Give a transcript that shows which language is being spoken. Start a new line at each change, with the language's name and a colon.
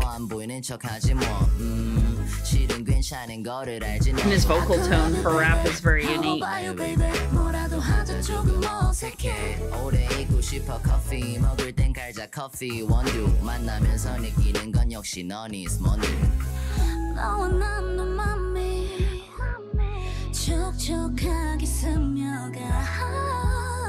Korean: 안 보이는 척하지 뭐 실은 괜찮은 거를 알지
English: And his vocal tone for rap is very unique
Korean: 뭐라도 하자 조금 어색해 오래 있고 싶어 커피 먹을 땐 갈자 커피 원두 만나면서 느끼는 건 역시 넌 is 먼두 너와 난 너 맘에 촉촉하게 스며가